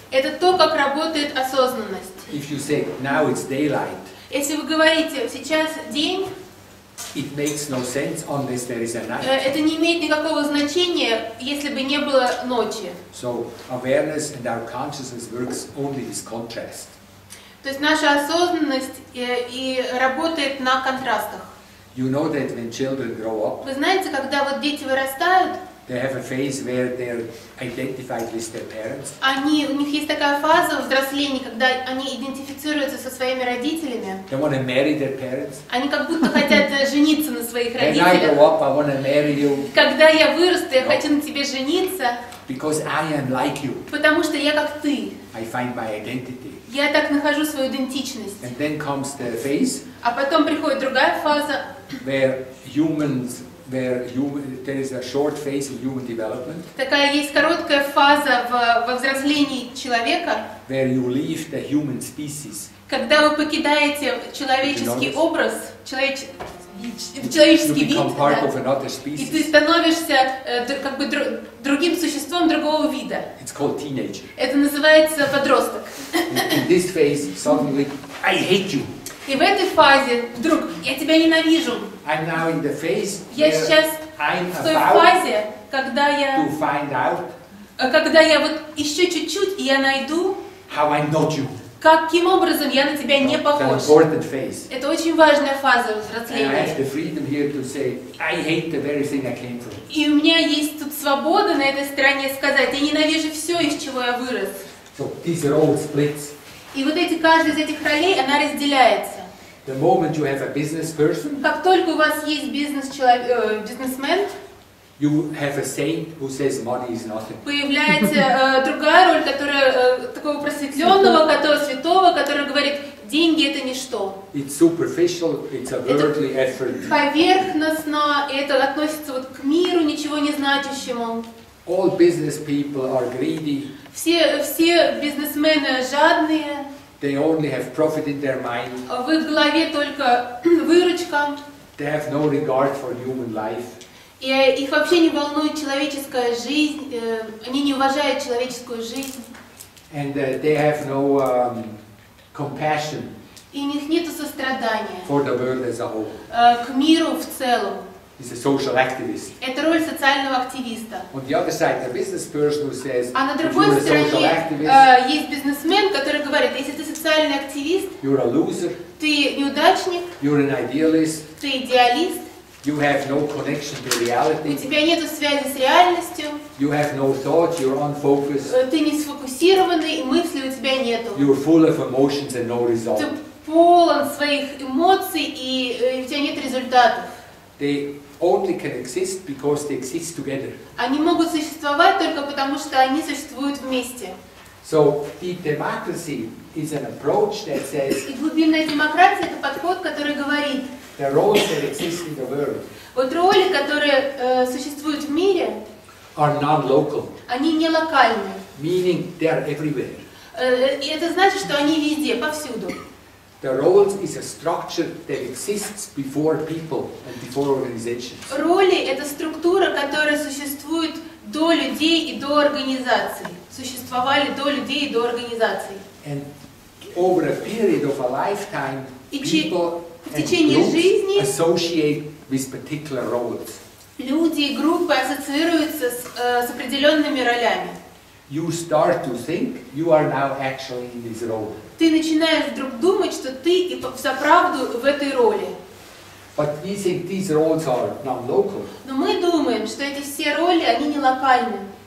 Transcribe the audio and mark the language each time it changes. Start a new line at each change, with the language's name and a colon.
Russian: Это то, как работает осознанность.
English: If you say now it's daylight.
Russian: Если вы говорите сейчас день.
English: It makes no sense unless there is a night.
Russian: Это не имеет никакого значения, если бы не было ночи.
English: So awareness and our consciousness works only with contrast.
Russian: То есть наша осознанность и работает на контрастах.
English: You know that when children grow up.
Russian: Вы знаете, когда вот дети вырастают.
English: They have a phase where they're identified with their parents.
Russian: Они, у них есть такая фаза взросления, когда они идентифицируются со своими родителями.
English: They want to marry their parents.
Russian: Они как будто хотят жениться на своих родителях.
English: When I grow up, I want to marry you.
Russian: Когда я вырасту, я хочу на тебе жениться.
English: Because I am like you.
Russian: Потому что я как ты.
English: I find my identity.
Russian: Я так нахожу свою идентичность.
English: And then comes the phase.
Russian: А потом приходит другая фаза.
English: There is a short phase of human development.
Russian: Такая есть короткая фаза во взрослении человека.
English: Where you leave the human species.
Russian: Когда вы покидаете человеческий образ, человеческий вид.
English: You become part of another species.
Russian: И ты становишься как бы другим существом другого вида.
English: It's called teenager.
Russian: Это называется подросток.
English: In this phase, suddenly, I hate you.
Russian: И в этой фазе вдруг я тебя ненавижу.
English: I'm now in the phase.
Russian: Я сейчас в той фазе, когда я.
English: To find out.
Russian: Когда я вот еще чуть-чуть и я найду.
English: How I'm not you.
Russian: Каким образом я на тебя не похож?
English: It's an important phase.
Russian: Это очень важная фаза взросления.
English: And I have the freedom here to say I hate the very thing I came from.
Russian: И у меня есть тут свобода на этой стороне сказать, я ненавижу все, из чего я вырос.
English: So these roles split.
Russian: И вот эти каждая из этих ролей она разделяется.
English: The moment you have a business person,
Russian: как только у вас есть бизнесмен,
English: you have a saint who says money is nothing.
Russian: Появляется другая роль, которая такого просветленного, которого святого, который говорит, деньги это ничто.
English: It's superficial, it's a worldly effort.
Russian: Поверхностно, это относится вот к миру ничего не значащему.
English: All business people are greedy.
Russian: Все бизнесмены жадные.
English: They only have profit in their mind.
Russian: В их голове только выручка.
English: They have no regard for human life.
Russian: И их вообще не волнует человеческая жизнь. Они не уважают человеческую жизнь.
English: And they have no compassion.
Russian: И у них нету сострадания.
English: For the world as a whole.
Russian: К миру в целом.
English: He's a social activist.
Russian: Это роль социального активиста.
English: On the other side, a business person who says,
Russian: а на другой стороне есть бизнесмен, который говорит, если ты социальный активист,
English: you're a loser,
Russian: ты неудачник,
English: you're an idealist,
Russian: ты идеалист,
English: you have no connection to reality,
Russian: у тебя нет связи с реальностью,
English: you have no thought, you're unfocused,
Russian: ты не сфокусированный и мыслей у тебя нет.
English: You're full of emotions and no result.
Russian: Ты полон своих эмоций и у тебя нет результатов.
English: They only can exist because they exist together.
Russian: Они могут существовать только потому, что они существуют вместе.
English: So deep democracy is an approach that says.
Russian: И глубинная демократия — это подход, который говорит.
English: The roles that exist in the world.
Russian: Вот роли, которые существуют в мире.
English: Are non-local.
Russian: Они не локальны.
English: Meaning they are everywhere.
Russian: И это значит, что они везде, повсюду.
English: The roles is a structure that exists before people and before organizations.
Russian: Роли — это структура, которая существует до людей и до организаций. Существовали до людей и до организаций.
English: And over a period of a lifetime, people and groups associate with particular roles.
Russian: Люди и группы ассоциируются с определенными ролями.
English: You start to think you are now actually in this role.
Russian: Ты начинаешь вдруг думать, что ты и по правду в этой роли.
English: But we think these roles are non-local.
Russian: Но мы думаем, что эти все роли, они не локальны.